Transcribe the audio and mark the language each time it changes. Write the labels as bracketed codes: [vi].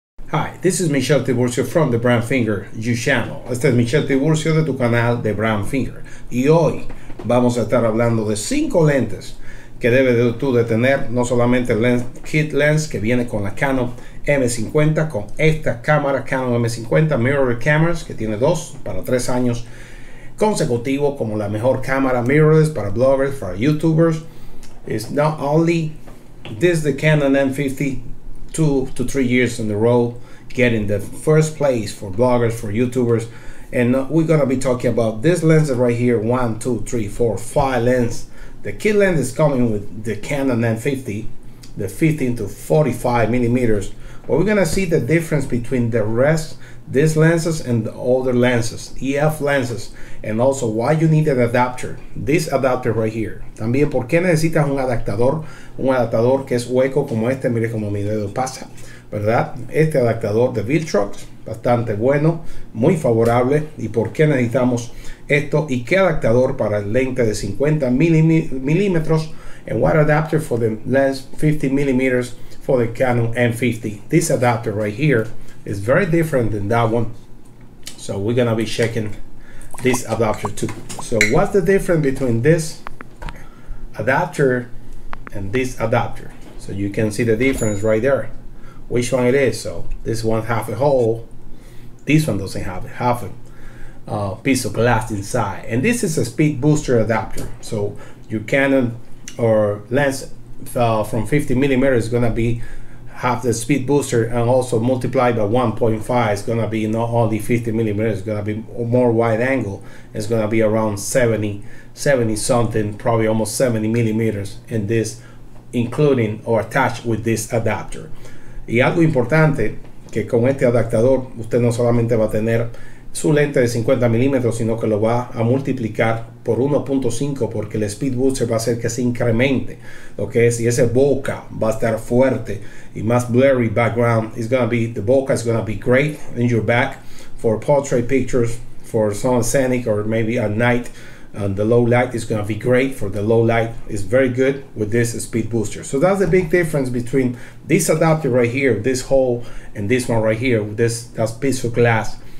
[en] Hi, this is Michel Tiburcio from the Brown Finger You Channel. [es] Este es Michel Tiburcio de tu canal de Brown Finger. Y hoy vamos a estar hablando de 5 lentes que debes tú de tener, no solamente el lens, kit lens que viene con la Canon M50, con esta cámara Canon M50, Mirror Cameras, que tiene 2 para 3 años consecutivos como la mejor cámara mirrorless para bloggers, para youtubers. [en] It's not only this, the Canon M50, 2 to 3 years in a row, getting the first place for bloggers, for YouTubers. And we're gonna be talking about this lens right here, 1, 2, 3, 4, 5 lens. The kit lens is coming with the Canon M50, the 15 to 45 millimeters. But we're gonna see the difference between the rest, these lenses and the older lenses, EF lenses, and also why you need an adapter, this adapter right here. [es] También, ¿por qué necesitas un adaptador que es hueco como este? Mire como mi dedo pasa, ¿verdad? Este adaptador de Viltrox, bastante bueno, muy favorable, y ¿por qué necesitamos esto? Y ¿qué adaptador para el lente de 50 milímetros? [en] And what adapter for the lens 50 millimeters for the Canon M50? This adapter right here is very different than that one. So we're gonna be checking this adapter too. So what's the difference between this adapter and this adapter? So you can see the difference right there, which one it is. So this one has a hole. This one doesn't have half a piece of glass inside. And this is a speed booster adapter. So your Canon or lens from 50 millimeters is gonna be have the speed booster, and also multiplied by 1.5 is gonna be not only 50 millimeters, it's gonna be more wide angle. It's gonna be around 70 something, probably almost 70 millimeters in this, including or attached with this adapter. [es] Y algo importante, que con este adaptador, usted no solamente va a tener su lente de 50 milímetros, sino que lo va a multiplicar por 1.5, porque el speed booster va a hacer que se incremente lo que es, y ese bokeh va a estar fuerte y más [en] blurry background. It's gonna be, the bokeh is gonna be great in your back for portrait pictures, for some scenic, or maybe at night, and the low light is gonna be great for the low light. It's very good with this speed booster. So that's the big difference between this adapter right here, this hole, and this one right here, this piece of glass.